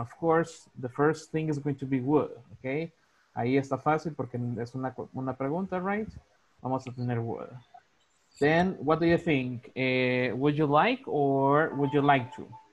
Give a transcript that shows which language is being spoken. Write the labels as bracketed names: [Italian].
[English] Of course, the first thing is going to be would. [Spanish] Okay, ahí está fácil porque es una pregunta, right? Vamos a tener [English] would. Then, what do you think? Would you like or would you like to?